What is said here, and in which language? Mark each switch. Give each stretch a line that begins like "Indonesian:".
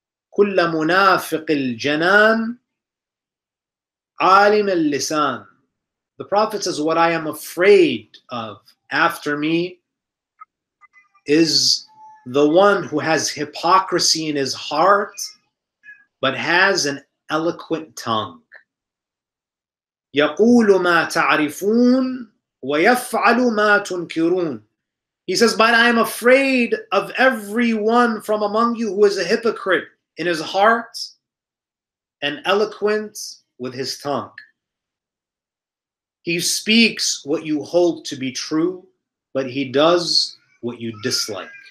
Arabic: كل منافق الجنان عالم اللسان.
English: The Prophet says, what I am afraid of after me is the one who has hypocrisy in his heart, but has an eloquent tongue.
Arabic: يقول ما تعرفون ويفعل ما تنكرون.
English: He says, but I am afraid of everyone from among you who is a hypocrite in his heart and eloquent with his tongue. He speaks what you hold to be true, but he does what you dislike.